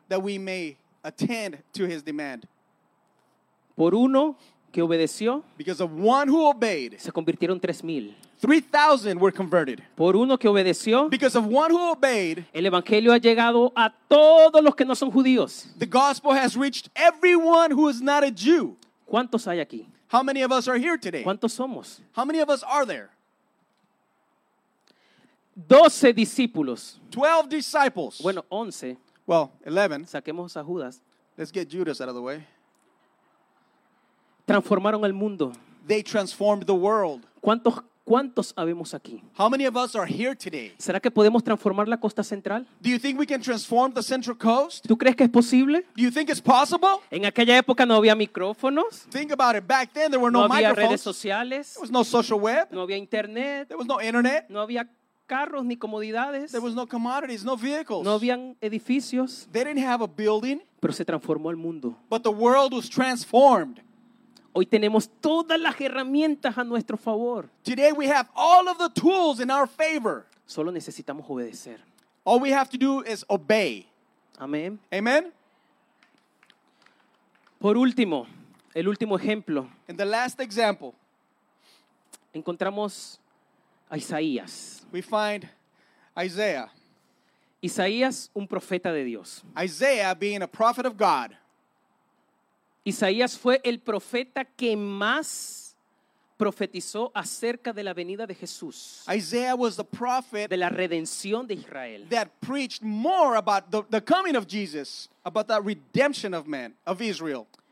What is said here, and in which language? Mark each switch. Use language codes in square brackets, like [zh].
[en] That we may attend to his demand. [es] Por uno que obedeció. [en] Because of one who obeyed. [es] Se convirtieron 3,000. [en] 3,000 were converted. [es] Por uno que obedeció. [en] Because of one who obeyed. [es] El evangelio ha llegado a todos los que no son judíos. [en] The gospel has reached everyone who is not a Jew. [es] ¿Cuántos hay aquí? [en] How many of us are here today? [es] ¿Cuántos somos? [en] How many of us are there? [es] 12 discípulos. [en] 12 disciples. [es] Bueno, 11. [en] Well, 11. [es] Saquemos a Judas. [en] Let's get Judas out of the way. [es] Transformaron el mundo. [en] They transformed the world. [es] ¿Cuántos habemos aquí? [en] How many of us are here today? [es] ¿Será que podemos transformar la costa central? [en] Do you think we can transform the central coast? [es] ¿Tú crees que es posible? [en] Do you think it's possible? [es] En aquella época no había micrófonos. [en] Think about it. Back then there were no microphones. [es] No había redes sociales. [en] There was no social web. [es] No había internet. [en] There was no internet. [es] No había carros ni comodidades. [en] There was no commodities, no vehicles. [es] No habían edificios. [en] They didn't have a building. [es] Pero se transformó el mundo. [en] But the world was transformed. [es] Hoy tenemos todas las herramientas a nuestro favor. [en] Today we have all of the tools in our favor. [es] Solo necesitamos obedecer. [en] All we have to do is obey. [es] Amén. [en] Amen. [es] Por último, el último ejemplo. [en] In the last example. [es] Encontramos a Isaías. [en] We find Isaiah. [es] Isaías, un profeta de Dios. [en] Isaiah being a prophet of God. [es] Isaías fue el profeta que más profetizó acerca de la venida de Jesús. [en] Isaiah was the prophet [es] de la redención de Israel. [en] That preached more about the coming of Jesus, about the redemption of man, of Israel.